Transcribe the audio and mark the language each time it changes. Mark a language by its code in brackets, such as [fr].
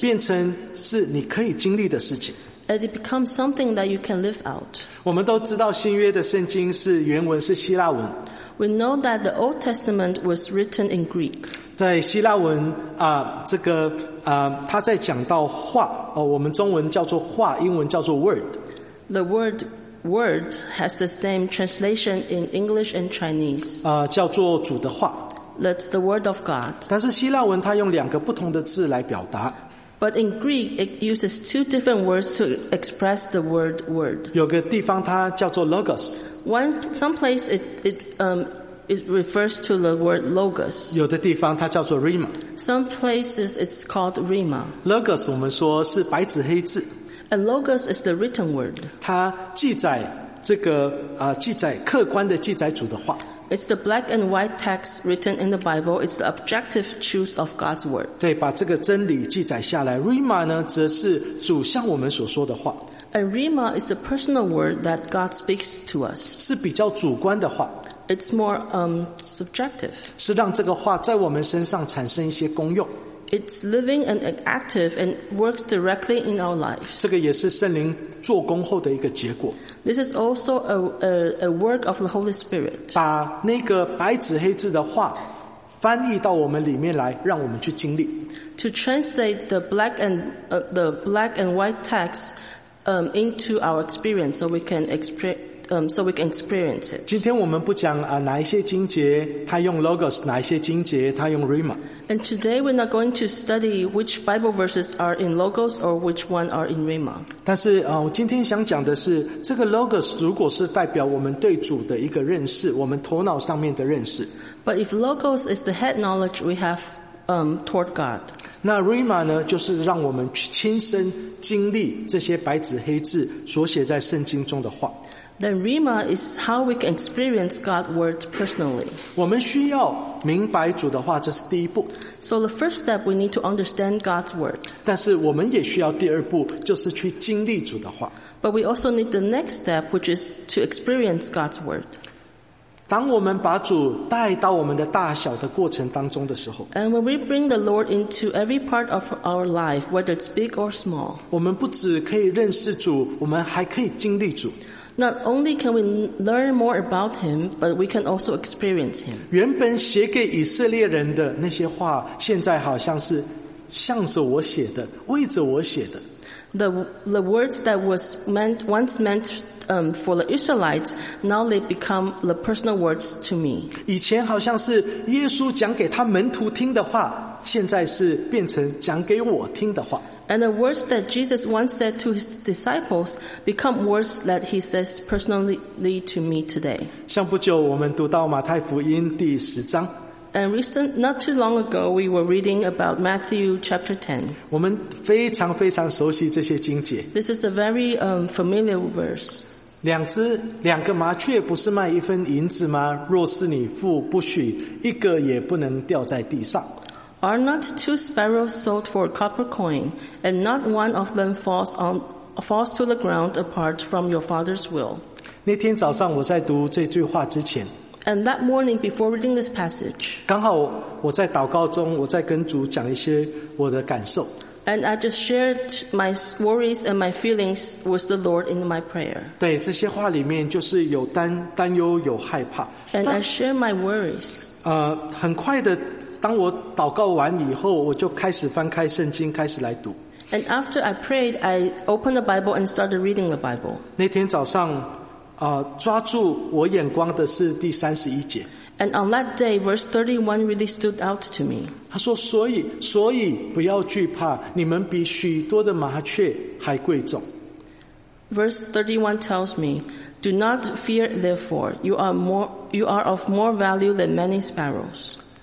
[zh] 变成是你可以经历的事情。 [en] And it becomes something that you can live out. [zh] 我们都知道新约的圣经是原文是希腊文。 [en] We know that the Old Testament was written in Greek. [zh] 在希腊文他在讲到话我们中文叫做话英文叫做 word. [en] The word has the same translation in English and Chinese. [zh] 叫做主的话。 [en] That's the word of God. [zh] 但是希腊文它用两个不同的字来表达。 [en] But in Greek, it uses two different words to express the word word. [zh] 有个地方它叫做 logos. [en] Some place it refers to the word logos. [zh] 有的地方它叫做 rhema. [en] Some places it's called rhema. [zh] Logos 我们说是白纸黑字。 [en] And logos is the written word. [zh] 它记载这个记载客观的记载主的话。 [en] It's the black and white text written in the Bible. It's the objective truth of God's word. [zh] 对，把这个真理记载下来。 Rhema 呢，则是主向我们所说的话。 [en] And Rhema is the personal word that God speaks to us. [zh] 是比较主观的话。 [en] It's more subjective. [zh] 是让这个话在我们身上产生一些功用。 [en] It's living and active and works directly in our lives. [zh] 这个也是圣灵做工后的一个结果。 [en] This is also a work of the Holy Spirit. [zh] 把那个白纸黑字的话翻译到我们里面来，让我们去经历。 [en] To translate the black and white text into our experience, so we can experience it. [zh] 今天我们不讲哪一些经节他用 logos， 哪一些经节他用 rhema。 [en] And today we're not going to study which Bible verses are in logos or which one are in rhema。 [zh] 但是我今天想讲的是，这个 logos 如果是代表我们对主的一个认识，我们头脑上面的认识。 [en] But if logos is the head knowledge we have toward God。 [zh] 那 rhema 呢，就是让我们亲身经历这些白纸黑字所写在圣经中的话。 [en] Then rhema is how we can experience God's word personally. [zh] 我们需要明白主的话，这是第一步。 [en] So the first step, we need to understand God's word. [zh] 但是我们也需要第二步，就是去经历主的话。 [en] But we also need the next step, which is to experience God's word. [zh] 当我们把主带到我们的大小的过程当中的时候。 [en] And when we bring the Lord into every part of our life, whether it's big or small. [zh] 我们不只可以认识主，我们还可以经历主。 [en] Not only can we learn more about him, but we can also experience him. [zh] 原本写给以色列人的那些话，现在好像是向着我写的，为着我写的。 [en] The words that was meant once meant for the Israelites, now they become the personal words to me. [zh] 以前好像是耶稣讲给他门徒听的话，现在是变成讲给我听的话。 [en] And the words that Jesus once said to his disciples become words that he says personally to me today. [zh] 像不久我们读到马太福音第十章。 [en] And recent, not too long ago, we were reading about Matthew chapter 10. [zh] 我们非常非常熟悉这些经节。 [en] This is a very familiar verse. [zh] 两个麻雀不是卖一分银子吗？若是你父不许，一个也不能掉在地上。 [en] Are not two sparrows sold for a copper coin, and not one of them falls to the ground apart from your father's will? [zh] 那天早上我在读这句话之前。 [en] And that morning before reading this passage. [zh] 刚好我在祷告中，我在跟主讲一些我的感受。 [en] And I just shared my worries and my feelings with the Lord in my prayer. [zh] 对，这些话里面就是有担忧，有害怕。 [en] And I shared my worries. [zh] 很快的。当我祷告完以后，我就开始翻开圣经，开始来读。 [en] And after I prayed, I opened the Bible and started reading the Bible. [zh] 那天早上，抓住我眼光的是第三十一节。 [en] And on that day, verse 31 really stood out to me. [zh] 他说：“所以不要惧怕，你们比许多的麻雀还贵重。” [en] Verse 31 tells me, "Do not fear, therefore, you are of more value than many sparrows."